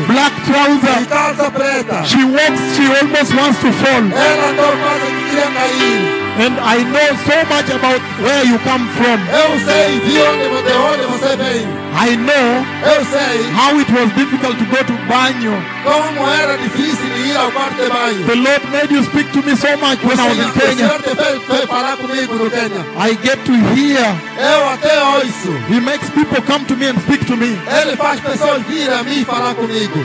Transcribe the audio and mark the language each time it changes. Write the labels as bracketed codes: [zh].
[en] Black trouser. [pt] E calça preta. [en] She walks, she almost wants to fall. [pt] Ela não quase queria cair. [en] And I know so much about where you come from. [pt] Eu sei de onde você vem. [en] I know. [pt] Eu sei. [en] How it was difficult to go to banho. [pt] Como era difícil ir ao quarto de banho. [en] The Lord made you speak to me so much when [pt] o [en] I was [pt] senhor, [en] in Kenya. [pt] O Senhor te fez falar comigo no Kenya. [en] I get to hear. [pt] Eu até ouço. [en] He makes people come to me and speak to me. [pt] Ele faz pessoas vir a mim e falar comigo.